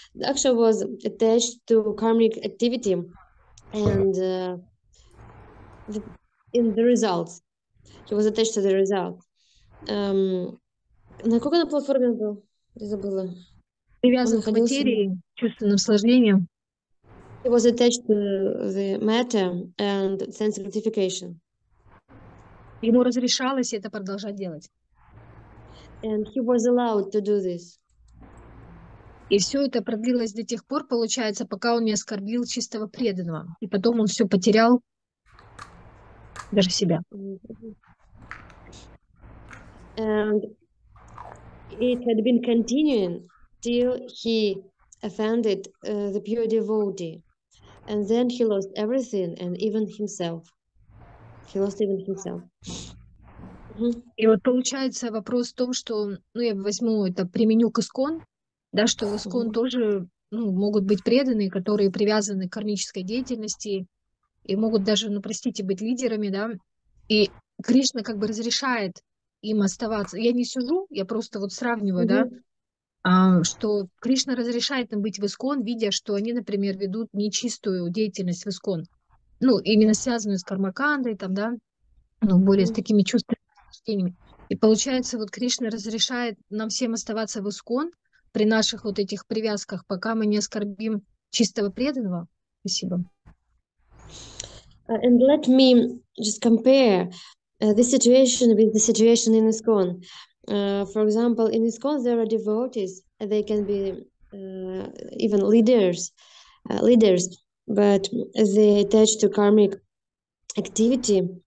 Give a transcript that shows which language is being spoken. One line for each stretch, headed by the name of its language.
English: Daksha was attached to karmic activity and in the results. He was attached to the result.
Russian: На какой на платформе был? Я забыла. Привязан к материи, чувственным сложением.
English: He was attached to the matter and sense gratification.
Russian: Ему разрешалось это продолжать делать.
English: And he was allowed to do this.
Russian: И все это продлилось до тех пор, получается, пока он не оскорбил чистого преданного. И потом он все потерял, даже себя.
English: And it had been continuing till he offended the pure devotee. And then he lost everything and even himself. He lost even himself.
Russian: И вот получается вопрос в том, что, ну, я возьму это, применю к искон, да, что в искон тоже, ну, могут быть преданные, которые привязаны к кармической деятельности и могут даже, ну, простите, быть лидерами, да, и Кришна как бы разрешает им оставаться. Я не сужу, я просто вот сравниваю, да, что Кришна разрешает им быть в искон, видя, что они, например, ведут нечистую деятельность в искон, ну, именно связанную с кармакандой, там, да, ну, более с такими чувствами. И получается, вот Кришна разрешает нам всем оставаться в искон при наших вот этих привязках, пока мы не оскорбим чистого преданного. Спасибо.
English: And let me just compare this situation with the situation in ISKCON. For example, in ISKCON there are devotees, they can be even leaders, but they attach to karmic activity.